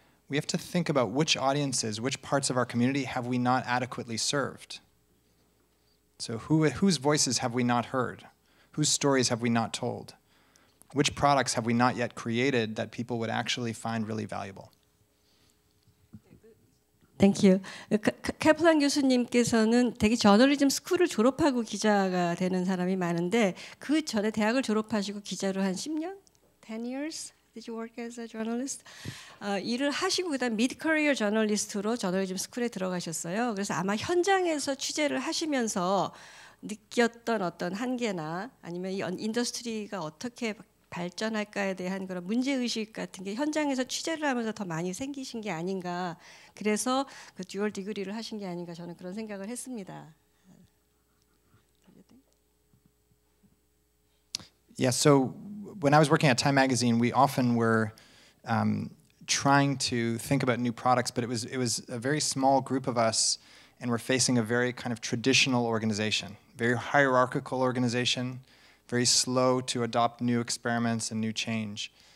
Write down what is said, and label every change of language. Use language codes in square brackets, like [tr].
[en] We have to think about which audiences, which parts of our community have we not adequately served? So whose voices have we not heard? Whose stories have we not told? Which products have we not yet created that people would actually find really valuable? Thank you. [ko] 카플란 교수님께서는 되게 저널리즘 스쿨을 졸업하고 기자가 되는 사람이 많은데 그 전에 대학을 졸업하시고 기자로 한 10년? [en] 10 years? Did you work as a journalist? [ko] 일을 하시고 그다음 mid-career 저널리스트로 저널리즘 스쿨에 들어가셨어요. 그래서 아마 현장에서 취재를 하시면서 느꼈던 어떤 한계나 아니면 이 인더스트리가 어떻게 발전할까에 대한 그런 문제 의식 같은 게 현장에서 취재를 하면서 더 많이 생기신 게 아닌가. 그래서 그 듀얼 디그리를 하신 게 아닌가 저는 그런 생각을 했습니다. [en] Yeah, so when I was working at Time Magazine, we often were trying to think about new products, but it was a very small group of us, and we're facing a very kind of traditional organization, very hierarchical organization, very slow to adopt new experiments and new change.